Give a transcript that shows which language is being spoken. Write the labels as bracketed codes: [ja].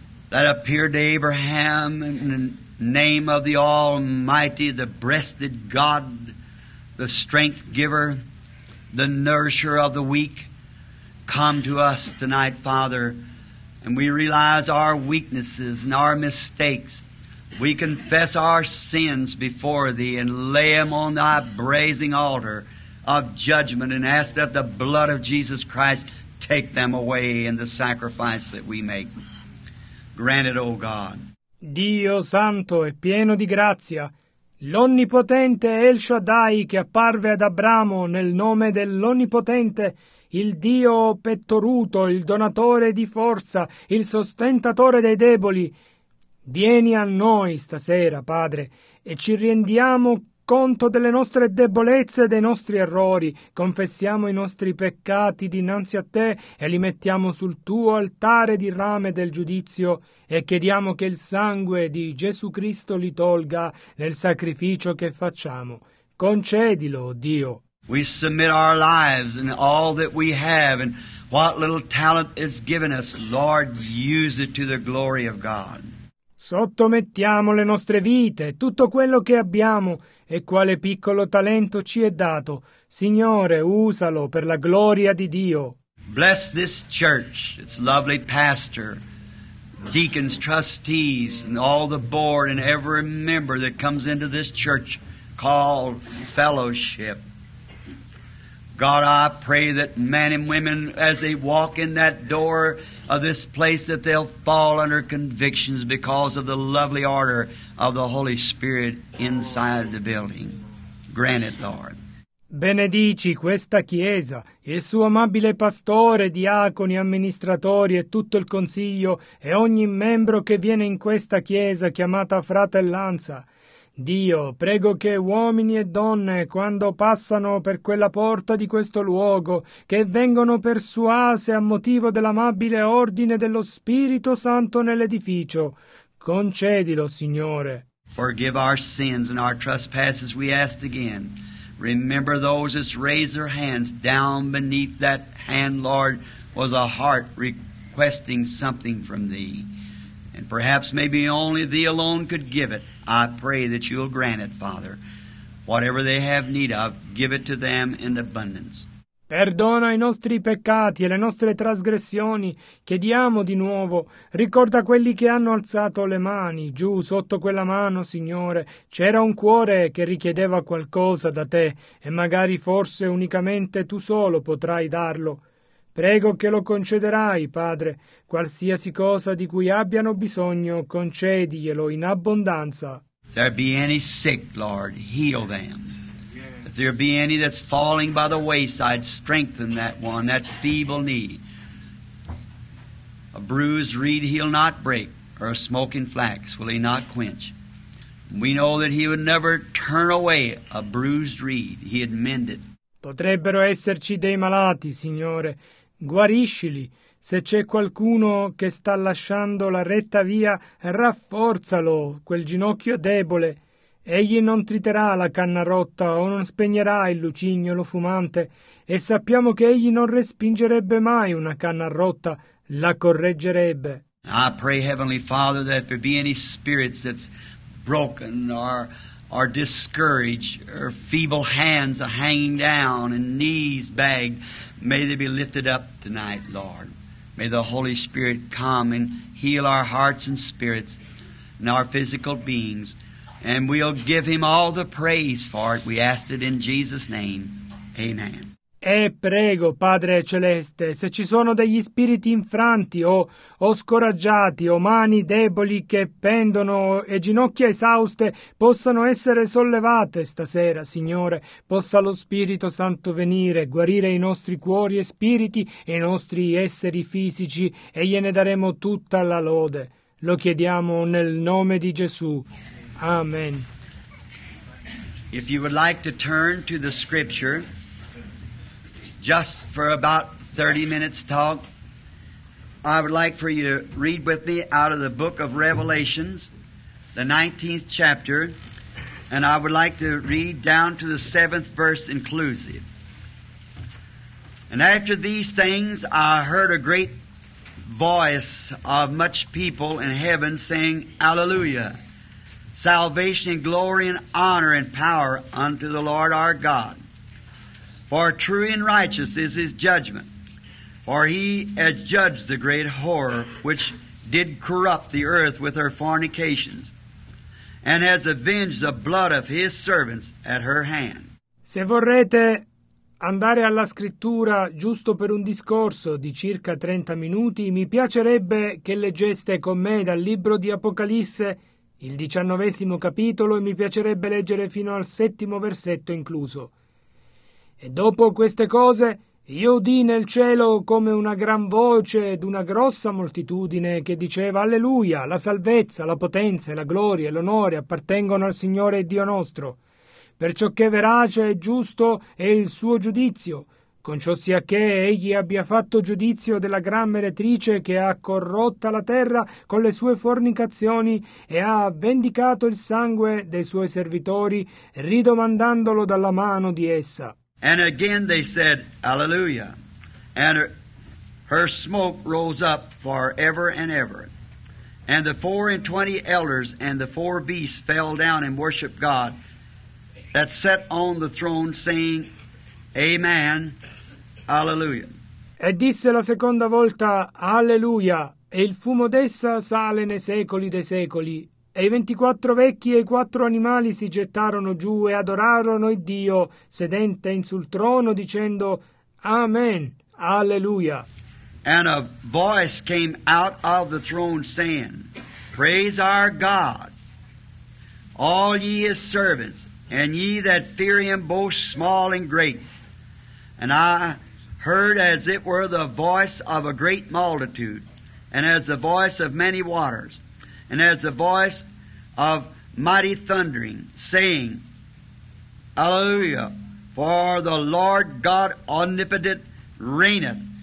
[en] that appeared to Abraham in the name of the Almighty, the breasted God, the strength giver, the nourisher of the weak, come to us tonight, Father, and we realize our weaknesses and our mistakes. We confess our sins before Thee and lay them on Thy brazen altar of judgment and ask that the blood of Jesus Christ take them away in the sacrifice that we make. Grant it, O God. [it] Dio santo e pieno di grazia, l'Onnipotente El Shaddai che apparve ad Abramo nel nome dell'Onnipotente, il Dio pettoruto, il donatore di forza, il sostentatore dei deboli, vieni a noi stasera, Padre, e ci rendiamo conto delle nostre debolezze e dei nostri errori. Confessiamo i nostri peccati dinanzi a Te e li mettiamo sul Tuo altare di rame del giudizio e chiediamo che il sangue di Gesù Cristo li tolga nel sacrificio che facciamo. Concedilo, Dio. [en] We submit our lives and all that we have and what little talent is given us, Lord, use it to the glory of God. [it] Sottomettiamo le nostre vite, tutto quello che abbiamo e quale piccolo talento ci è dato. Signore, usalo per la gloria di Dio. [en] Bless this church, its lovely pastor, deacons, trustees, and all the board and every member that comes into this church called fellowship. God, I pray that men and women, as they walk in that door of this place, that they'll fall under convictions because of the lovely order of the Holy Spirit inside the building. Grant it, Lord. [it] Benedici questa chiesa, il suo amabile pastore, diaconi, amministratori e tutto il consiglio e ogni membro che viene in questa chiesa chiamata fratellanza. Dio, prego che uomini e donne, quando passano per quella porta di questo luogo, che vengono persuase a motivo dell'amabile ordine dello Spirito Santo nell'edificio, concedilo, Signore. [en] Forgive our sins and our trespasses, we ask again. Remember those that raised their hands. Down beneath that hand, Lord, was a heart requesting something from Thee. And perhaps maybe only Thee alone could give it. I pray that You'll grant it, Father. Whatever they have need of, give it to them in abundance. [it] Perdona i nostri peccati e le nostre trasgressioni. Chiediamo di nuovo. Ricorda quelli che hanno alzato le mani. Giù, sotto quella mano, Signore, c'era un cuore che richiedeva qualcosa da Te e magari forse unicamente Tu solo potrai darlo. Prego che lo concederai, Padre. Qualsiasi cosa di cui abbiano bisogno, concediglielo in abbondanza. [en] There be any sick, Lord, heal them. If there be any that's falling by the wayside, strengthen that one, that feeble knee. A bruised reed he'll not break, or a smoking flax will he not quench. We know that he would never turn away a bruised reed. He had mended. [it] Potrebbero esserci dei malati, Signore. Guariscili. Se c'è qualcuno che sta lasciando la retta via, rafforzalo, quel ginocchio debole. Egli non triterà la canna rotta o non spegnerà il lucignolo fumante, e sappiamo che egli non respingerebbe mai una canna rotta, la correggerebbe. [en] I pray, Heavenly Father, that if there be any spirits that's broken or discouraged, or feeble hands are hanging down and knees bagged, may they be lifted up tonight, Lord. May the Holy Spirit come and heal our hearts and spirits and our physical beings. And we'll give Him all the praise for it. We ask it in Jesus' name. Amen. [it] E prego, Padre Celeste, se ci sono degli spiriti infranti o scoraggiati o mani deboli che pendono e ginocchia esauste possano essere sollevate stasera, Signore, possa lo Spirito Santo venire, guarire i nostri cuori e spiriti e i nostri esseri fisici e gliene daremo tutta la lode. Lo chiediamo nel nome di Gesù. Amen. [en] If you would like to turn to the scripture, just for about 30 minutes talk, I would like for you to read with me out of the book of Revelations, the 19th chapter, and I would like to read down to the 7th verse inclusive. And after these things, I heard a great voice of much people in heaven saying, Alleluia, salvation and glory and honor and power unto the Lord our God. For true and righteous is His judgment. For He has judged the great whore, which did corrupt the earth with her fornications, and has avenged the blood of His servants at her hand. [it] Se vorrete andare alla scrittura giusto per un discorso di circa 30 minuti, mi piacerebbe che leggeste con me dal libro di Apocalisse, il 19° capitolo, e mi piacerebbe leggere fino al 7° versetto incluso. E dopo queste cose, io udii nel cielo come una gran voce d'una grossa moltitudine che diceva Alleluia, la salvezza, la potenza, la gloria e l'onore appartengono al Signore Dio nostro, perciò che verace e giusto è il suo giudizio, con ciò sia che egli abbia fatto giudizio della gran meretrice che ha corrotta la terra con le sue fornicazioni e ha vendicato il sangue dei suoi servitori, ridomandandolo dalla mano di essa. [en] And again they said, Alleluia. And her smoke rose up forever and ever. And the 24 elders and the 4 beasts fell down and worshiped God that sat on the throne, saying, Amen, Alleluia. [it] E disse la seconda volta, Alleluia, e il fumo d'essa sale nei secoli dei secoli. E i 24 vecchi e i 4 animali si gettarono giù e adorarono il Dio, sedente in sul trono, dicendo, Amen, Alleluia. [en] And a voice came out of the throne saying, Praise our God, all ye his servants, and ye that fear him both small and great. And I heard as it were the voice of a great multitude, and as the voice of many waters, and as the voice of mighty thundering, saying, Alleluia, for the Lord God omnipotent reigneth.